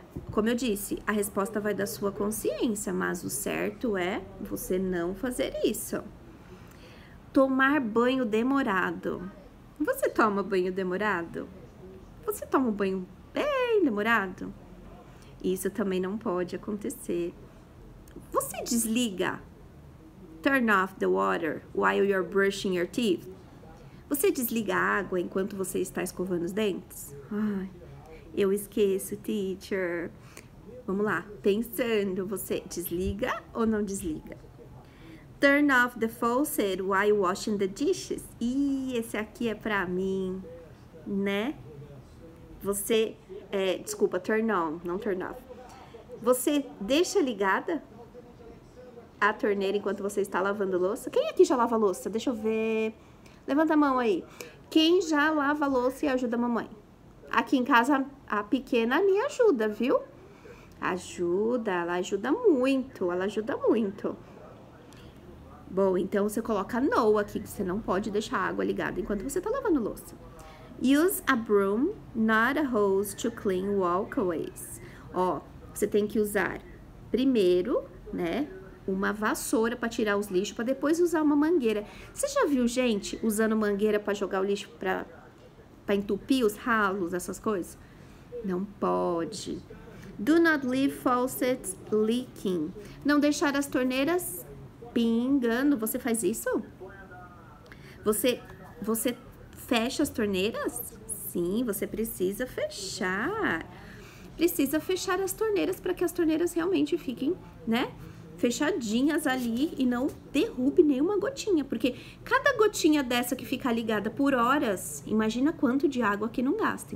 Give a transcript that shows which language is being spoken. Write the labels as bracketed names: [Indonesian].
[Portuguese] Como eu disse, a resposta vai da sua consciência, mas o certo é você não fazer isso. Tomar banho demorado. Você toma banho demorado? Você toma um banho bem demorado? Isso também não pode acontecer. Você desliga? [English] Turn off the water while you're brushing your teeth. [Portuguese] Você desliga a água enquanto você está escovando os dentes? Ai, eu esqueço, teacher. Vamos lá. Pensando, você desliga ou não desliga? [English] Turn off the faucet while washing the dishes. [Portuguese] Ih, esse aqui é pra mim, né? Você, desculpa, [English] turn on, [Portuguese] não [English] turn off. [Portuguese] Você deixa ligada a torneira enquanto você está lavando louça? Quem aqui já lava louça? Deixa eu ver. Levanta a mão aí. Quem já lava louça e ajuda a mamãe? Aqui em casa, a pequena me ajuda, viu? Ajuda, ela ajuda muito, ela ajuda muito. Bom, então você coloca no aqui, que você não pode deixar a água ligada enquanto você tá lavando louça. [English] Use a broom, not a hose, to clean walkways. [Portuguese] Ó, você tem que usar primeiro, né, uma vassoura para tirar os lixos, para depois usar uma mangueira. Você já viu gente usando mangueira para jogar o lixo, para entupir os ralos, essas coisas? Não pode. [English] Do not leave faucets leaking. [Portuguese] Não deixar as torneiras pingando. Você faz isso? Você fecha as torneiras? Sim, você precisa fechar. Precisa fechar as torneiras para que as torneiras realmente fiquem, né, fechadinhas ali e não derrube nenhuma gotinha, porque cada gotinha dessa que fica ligada por horas, imagina quanto de água que não gasta.